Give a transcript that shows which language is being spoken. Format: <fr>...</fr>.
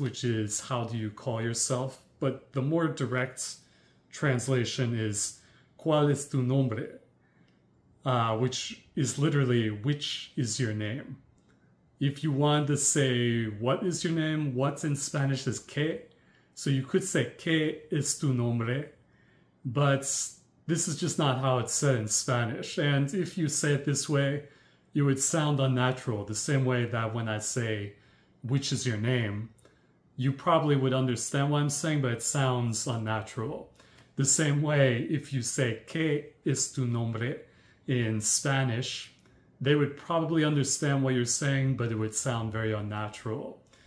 <en>Which is, how do you call yourself? But the more direct translation is,</en> <es>¿cuál es tu nombre?</es> <en>Which is literally, which is your name? If you want to say, what is your name? What's in Spanish is, ¿qué? So you could say,</en> <es>¿qué es tu nombre?</es> <en>But this is just not how it's said in Spanish. And if you say it this way, it would sound unnatural. The same way that when I say, which is your name, you probably would understand what I'm saying, but it sounds unnatural. The same way, if you say,</en> <es>¿qué es tu nombre?</es> <en>In Spanish, they would probably understand what you're saying, but it would sound very unnatural.</en>